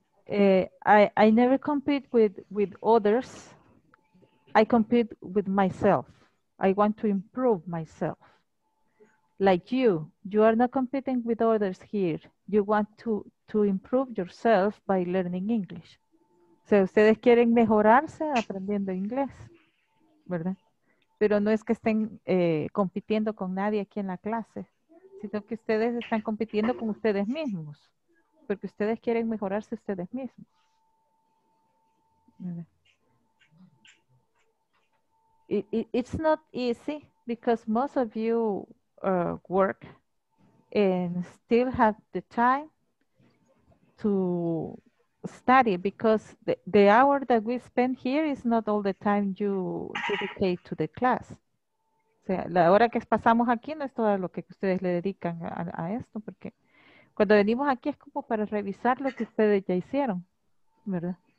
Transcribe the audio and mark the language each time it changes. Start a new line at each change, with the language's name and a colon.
English: I never compete with others. I compete with myself. I want to improve myself. Like you are not competing with others here. You want to improve yourself by learning English.
Spanish: So, ustedes quieren mejorarse aprendiendo inglés, ¿verdad? Pero no es que estén compitiendo con nadie aquí en la clase, sino que ustedes están compitiendo con ustedes mismos, porque ustedes quieren mejorarse ustedes mismos.
English: It's not easy because most of you work and still have the time to study, because the hour that we spend here is not all the time you dedicate to the class.
Spanish: O sea, la hora que pasamos aquí no es todo lo que ustedes le dedican a esto, porque cuando venimos aquí es como para revisar lo que ustedes ya hicieron, ¿verdad?